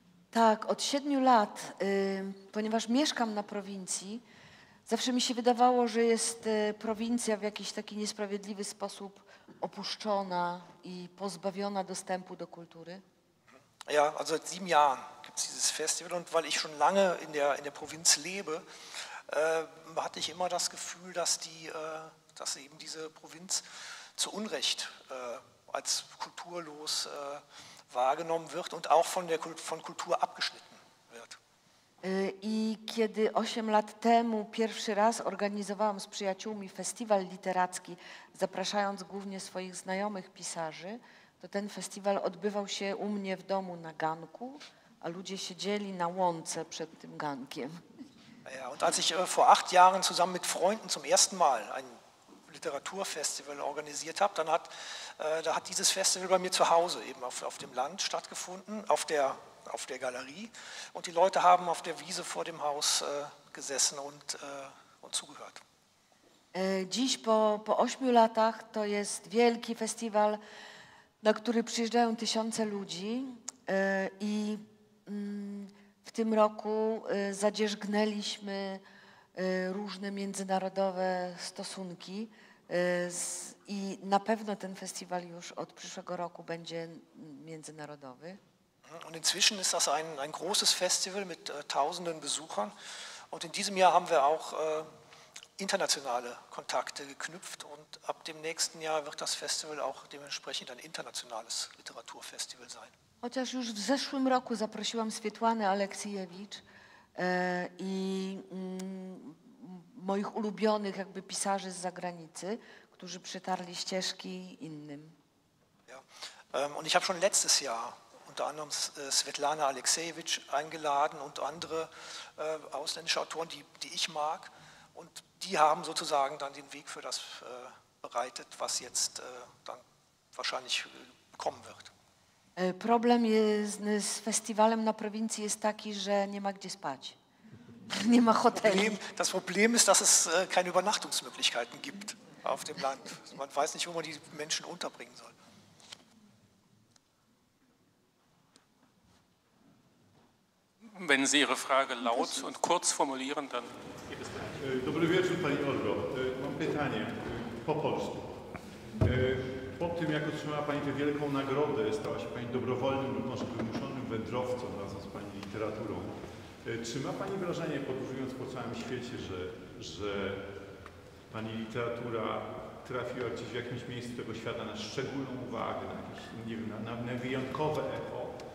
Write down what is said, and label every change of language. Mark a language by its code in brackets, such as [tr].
[pl] Tak, od 7 lat, ponieważ mieszkam na prowincji, zawsze mi się wydawało, że jest prowincja w jakiś taki niesprawiedliwy sposób opuszczona i pozbawiona dostępu do kultury. [de] Ja, also seit 7 Jahren gibt es dieses Festival und weil ich schon lange in der Provinz lebe, hatte ich immer das Gefühl, dass eben diese Provinz zu Unrecht als kulturlos wahrgenommen wird und auch von Kultur abgeschnitten wird. [pl] I kiedy 8 lat temu pierwszy raz organizowałam z przyjaciółmi festiwal literacki, zapraszając głównie swoich znajomych pisarzy, to ten festiwal odbywał się u mnie w domu na ganku, a ludzie siedzieli na łące przed tym gankiem. [de] Ja, und als ich vor 8 Jahren zusammen mit Freunden zum ersten Mal ein Literaturfestival organisiert habe, dann hat dieses Festival bei mir zu Hause eben auf dem Land stattgefunden, auf der Galerie, und die Leute haben auf der Wiese vor dem Haus gesessen und zugehört. [pl] Dziś po 8 latach to jest wielki festiwal, na który przyjeżdżają tysiące ludzi i w tym roku zadzierzgnęliśmy różne międzynarodowe stosunki i na pewno ten festiwal już od przyszłego roku będzie międzynarodowy. [de] Und inzwischen ist das ein großes Festival mit tausenden Besuchern und in diesem Jahr haben wir auch internationale Kontakte geknüpft und ab dem nächsten Jahr wird das Festival auch dementsprechend ein internationales Literaturfestival sein. [pl] Chociaż już w zeszłym roku zaprosiłam Swietłanę Aleksijewicz i moich ulubionych jakby pisarzy z zagranicy, którzy przetarli ścieżki innym. [de] Ja. Und ich habe schon letztes Jahr unter anderem Svetlana Aleksejewicz eingeladen und andere ausländische Autoren, die ich mag. Und die haben sozusagen dann den Weg für das bereitet, was jetzt dann wahrscheinlich kommen wird. [pl] Problem z festiwalem na prowincji jest taki, że nie ma gdzie spać. Nie ma hoteli. [de] Das Problem ist, dass es keine Übernachtungsmöglichkeiten gibt auf dem Land. Man weiß nicht, wo man die Menschen unterbringen soll. Wenn Sie Ihre Frage laut und kurz formulieren, dann... [pl] Dobry wieczór, Pani Olgo. Mam pytanie po polsku. Po tym, jak otrzymała Pani tę wielką nagrodę, stała się Pani dobrowolnym lub może wymuszonym wędrowcą razem z Pani literaturą. Czy ma Pani wrażenie, podróżując po całym świecie, że Pani literatura trafiła gdzieś w jakimś miejscu tego świata na szczególną uwagę, na jakieś, nie wiem, na wyjątkowe echo?